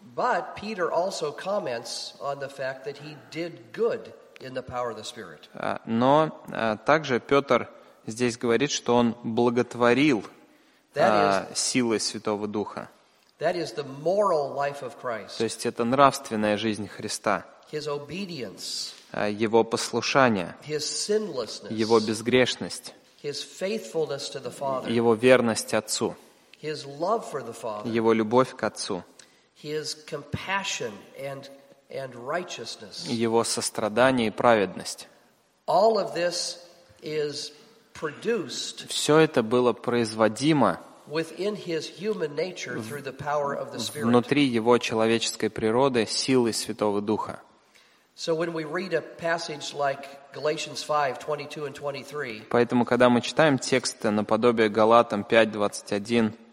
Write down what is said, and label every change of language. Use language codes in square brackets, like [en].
[en] But Peter also comments on the fact that he did good in the power of the Spirit. [ru] Но также Петр здесь говорит, что он благотворил силой Святого Духа. [en] That is the moral life of Christ. [ru] То есть это нравственная жизнь Христа. [en] His obedience. [ru] Его послушание. [en] His sinlessness. [ru] Его безгрешность. [en] His faithfulness to the Father. [ru] Его верность Отцу. [en] His love for the Father. [ru] Его любовь к Отцу. [en] His compassion and righteousness. [ru] Его сострадание и праведность. [en] All of this is produced. [ru] Все это было производимо. [en] Within his human nature, through the power of the Spirit. [ru] Внутри его человеческой природы силой Святого Духа. [en] So when we read a passage like Galatians 5:22 and 23. [ru] Поэтому когда мы читаем тексты наподобие Галатам 5:22-23.